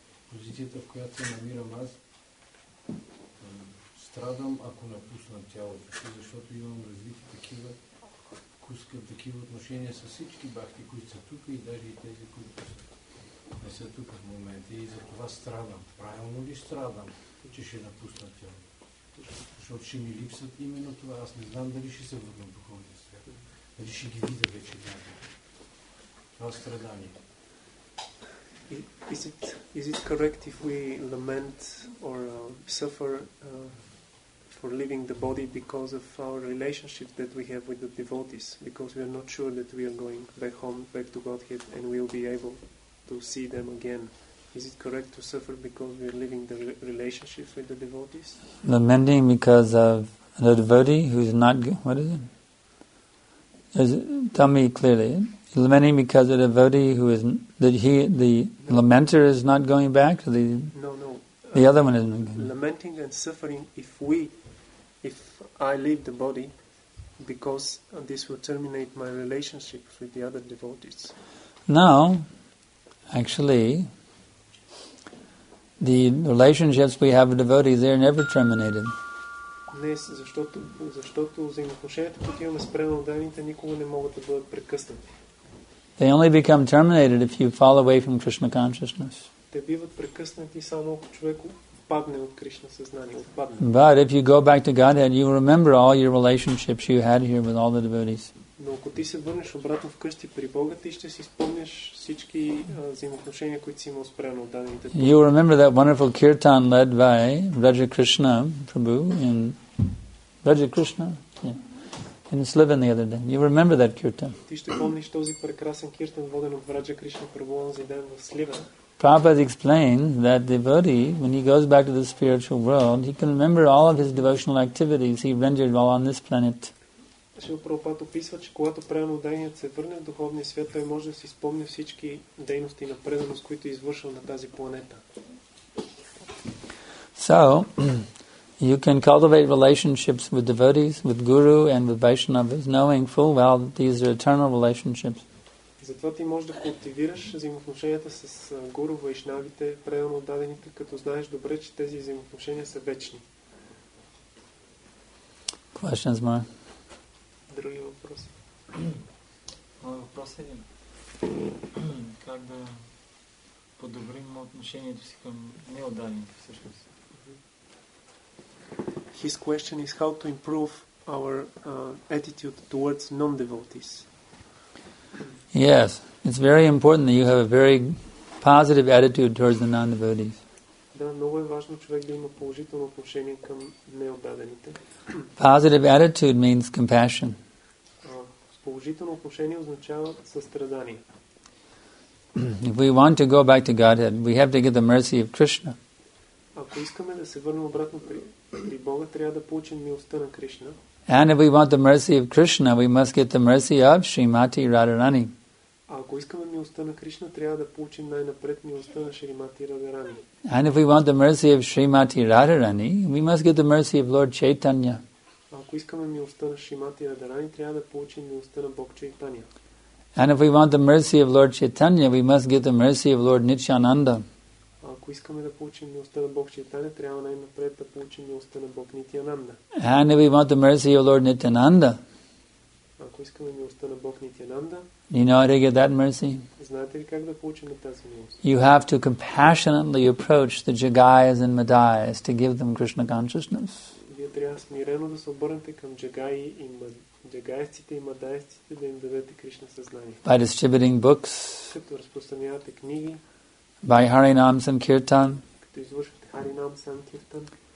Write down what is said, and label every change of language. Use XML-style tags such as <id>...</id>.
<bg>Позицията, в която се намирам аз, страдам, ако напусна тялото си, защото имам развити такива куска, такива отношения с всички бахти, които са тук и даже и тези, които не са тук в момента. И за това страдам. Правилно ли страдам, че ще напусна тялото? Защото ще ми липсат именно това. Аз не знам дали ще се върна в духовния свят. Дали ще ги видя вече някъде. Това страдание.</bg> <en>Is it correct if we lament or suffer for leaving the body because of our relationship that we have with the devotees, because we are not sure that we are going back home, back to Godhead, and we'll be able to see them again? Is it correct to suffer because we are leaving the relationship with the devotees? Lamenting because of the devotee who's not... What is it? Tell me clearly. Lamenting because of the devotee who is... lamenter is not going back? The other one isn't going back. Lamenting and suffering if I leave the body, because this will terminate my relationship with the other devotees. No. Actually, the relationships we have with devotees, they are never terminated.</en> <bg>Днес, защото взаимоотношенията, които имаме с преданите, никога не могат да бъдат прекъснати.</bg> <en>They only become terminated if you fall away from Krishna consciousness.</en> <bg>Те биват прекъснати само ако човек падне от Кришна съзнание, отпадне.</bg> <en>But if you go back to Godhead, you remember all your relationships you had here with all the devotees.</en> <bg>Но ако ти се върнеш обратно вкъщи при Бога, ти ще си спомняш всички взаимоотношения, които си имал с преданите.</bg> <en>You remember that wonderful kirtan led by Raja Krishna Prabhu in Raja Krishna? Yeah. In Sliven the other day. You remember that kirtan?</en> <bg>Ти ще помниш този прекрасен киртан, воден от Раджа Кришна Прабу онзи ден в Сливен.</bg> <en>Prabhupada explains that devotee, when he goes back to the spiritual world, he can remember all of his devotional activities he rendered while on this planet.</en> <bg>Шрила Прабхупада описва, че когато преданият се върне в духовния свят, той може да си спомни всички дейности на преданост, които е извършил на тази планета.</bg> <en>So, you can cultivate relationships with devotees, with guru and with Vaishnavas, knowing full well that these are eternal relationships.</en> <bg>Затова ти можеш да култивираш взаимоотношенията с гуру, вайшнавите, преданно отдадените, като знаеш добре, че тези взаимоотношения са вечни.</bg> <en>Questions, Mark?</en> <bg>Други въпроси? Моя въпрос е един. Как да подобрим отношението си към неотдадените всъщност?</bg> <en>His question is how to improve our attitude towards non-devotees. Yes, it's very important that you have a very positive attitude towards the non-devotees.</en> <bg>Да, много е важно човек да има положително отношение към неотдадените.</bg> <en>Positive attitude means compassion.</en> <bg>Положително отношение означава състрадание.</bg> <en>If we want to go back to Godhead, we have to get the mercy of Krishna.</en> <bg>Ако искаме да се върнем обратно при Бога, трябва да получим милостта на Кришна.</bg> <en>And if we want the mercy of Krishna, we must get the mercy of Srimati Radharani.</en> <bg>Ако искаме милостта на Кришна, трябва да получим най-напред милостта на Шримати Радарани.</bg> <en>And if we want the mercy of Srimati Radharani, we must get the mercy of Lord Chaitanya.</en> <bg>Ако искаме милостта на Шримати Радарани, трябва да получим милостта на Бог Чайтанья.</bg> <en>And if we want the mercy of Lord Chaitanya, we must get the mercy of Lord Nityananda.</en> <bg>Ако искаме да получим милостта на Бог Чайтанья, трябва най-напред да получим милостта на Бог Нитиананда.</bg> <en>And if we want the mercy of Lord Nityananda,</en> <bg>ако искаме милостта на Бог Нитиананда,</bg> <en>you know how to get that mercy?</en> <bg>Знаете ли как да получим тази милост?</bg> <en>You have to compassionately approach the Jagayas and Madayas to give them Krishna consciousness.</en> <bg>Вие трябва смирено да се обърнете към джагайците и мадайците да им дадете Кришна съзнание.</bg> <en>By distributing books,</en> <bg>като разпространявате книги,</bg> <en>by Harinam Sankirtan,</en> <bg>като извършвате Харинам Санкиртан,</bg>